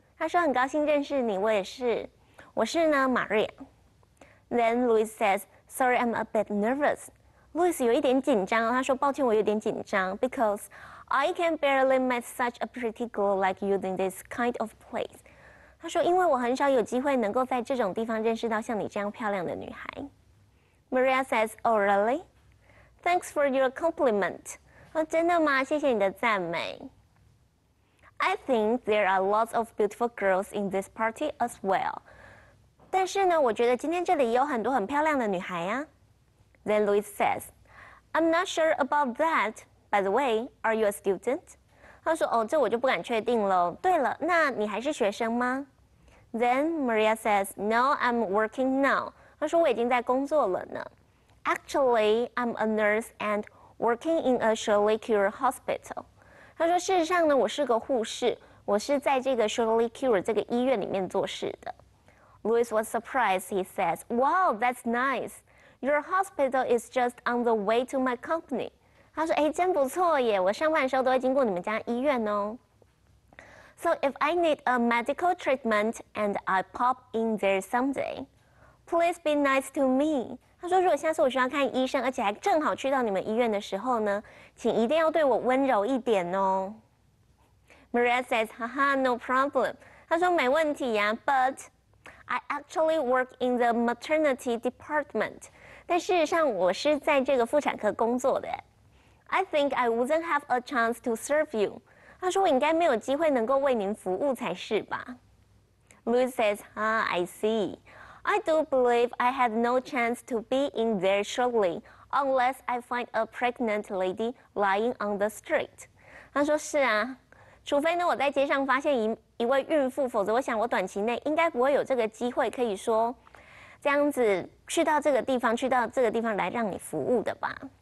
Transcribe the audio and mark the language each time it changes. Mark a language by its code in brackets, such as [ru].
[zh] 她说很高兴认识你，我也是。我是呢 Maria. [en] Then Luis says, Sorry, I'm a bit nervous. [zh] Luis 有一点紧张，她说抱歉，我有点紧张。 [en] Because I can barely meet such a pretty girl like you in this kind of place. [zh] 她说因为我很少有机会能够在这种地方认识到像你这样漂亮的女孩。 [en] Maria says, Oh, really? Thanks for your compliment. Oh, [zh] 真的吗？谢谢你的赞美。 [en] I think there are lots of beautiful girls in this party as well. [zh] 但是呢，我觉得今天这里有很多很漂亮的女孩呀。 [en] Then Luis says, I'm not sure about that. By the way, are you a student? [zh] 他说，哦，这我就不敢确定了。对了，那你还是学生吗？ [en] Then Maria says, No, I'm working now. [zh] 他说，我已经在工作了呢。 [en] Actually, I'm a nurse and working in a Shirley Cure hospital. [zh] 他说事实上呢我是个护士，我是在这个 Shirley Cure 这个医院里面做事的。 [en] Luis was surprised. He says, Wow, that's nice. Your hospital is just on the way to my company. [zh] 他说哎，真不错耶，我上班的时候都会经过你们家医院哦。 [en] So if I need a medical treatment and I pop in there someday, please be nice to me. [zh] 他说：“如果下次我需要看医生，而且还正好去到你们医院的时候呢，请一定要对我温柔一点哦。” [en] Maria says, "Haha, no problem." [zh] 他说：“没问题呀。” [en] But I actually work in the maternity department. [zh] 但事实上，我是在这个妇产科工作的。 [en] I think I wouldn't have a chance to serve you. [zh] 他说：“我应该没有机会能够为您服务才是吧。” [en] Louis says, "Ah, I see." I do believe I had no chance to be in there shortly unless I find a pregnant lady lying on the street. [zh] 他说是啊，除非呢我在街上发现一位孕妇，否则我想我短期内应该不会有这个机会可以说这样子去到这个地方，去到这个地方来让你服务的吧。